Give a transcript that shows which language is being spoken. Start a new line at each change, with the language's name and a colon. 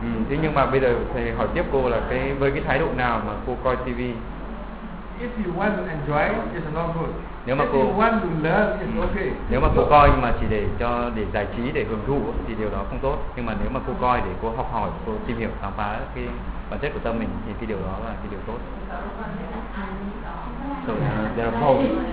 Vietnamese: Thế nhưng mà bây giờ thầy hỏi tiếp cô là cái với cái thái độ nào mà cô coi TV?
English: If you want to enjoy, it's not good.
Vietnamese: Nếu mà
English: if
Vietnamese: cô
English: you want to learn, it's okay.
Vietnamese: Nếu mà cô coi mà chỉ để cho để giải trí để hưởng thụ thì điều đó không tốt. Nhưng mà nếu mà cô coi để cô học hỏi, cô tìm hiểu khám phá cái bản chất của tâm mình thì cái điều đó là cái điều tốt.
English: So there are both.